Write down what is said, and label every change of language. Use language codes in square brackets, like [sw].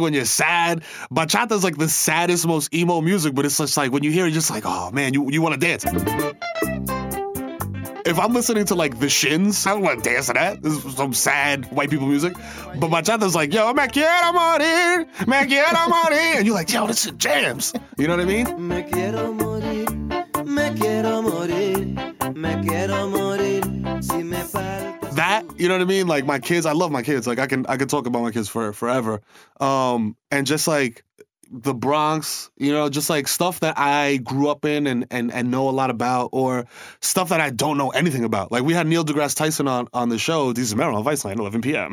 [en] When you're sad, bachata is like the saddest, most emo music. But it's just like, when you hear it, you're just like, oh man, you want to dance. If I'm listening to, like, The Shins, I don't want to dance to that. This is some sad white people music. But bachata's like, yo, [es] me quiero morir, me quiero morir. [en] And you're like, yo, this is jams. You know what I mean? [es] Me quiero morir, me quiero morir, me quiero morir. Si me falta... [en] That, you know what I mean? Like, my kids, I love my kids. Like, I can talk about my kids for forever. And just, like, the Bronx, you know, just like stuff that I grew up in and know a lot about, or stuff that I don't know anything about. Like, we had Neil deGrasse Tyson on the show, Deezus Mero on Viceland, 11 p.m.